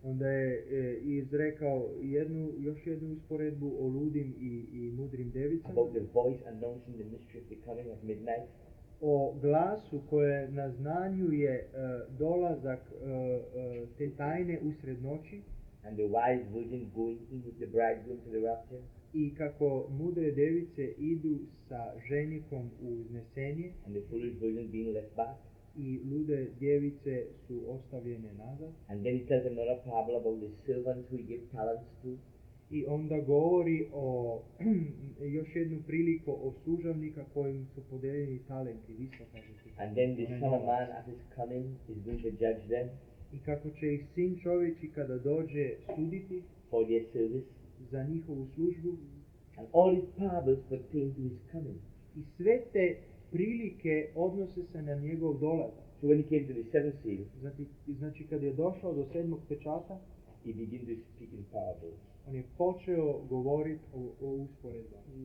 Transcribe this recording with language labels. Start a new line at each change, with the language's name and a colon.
Croatian: Onda je izrekao jednu, još jednu usporedbu o ludim i mudrim devicama.
English: About the voice announcing the mystery of the coming at midnight.
Croatian: O glasu koje naznanjuje dolazak te tajne usred noći.
English: And the wise virgin going in with the bridegroom to the rapture.
Croatian: I kako mudre device idu sa ženikom u uznesenje.
English: And the foolish virgin being left back.
Croatian: I lude djevice su ostavljene nazad.
English: And then he tells another parable about the servant who he gave talents to.
Croatian: I onda govori o još jednu priliku o služavnika kojim su podeljeni talenti, visoka žitika.
English: And then the son of man at his coming is going to judge them.
Croatian: I kako će ih sin čovječi kada dođe suditi
English: for their service.
Croatian: Za njihovu službu.
English: And all his parables pertain to his coming.
Croatian: I sve te prilike odnose se na njegov dolazak.
English: So when he came to the seventh seal,
Croatian: znači kad je došao do sedmog pečata,
English: he began to speak in parables.
Croatian: On je počeo govorit o usporedbama.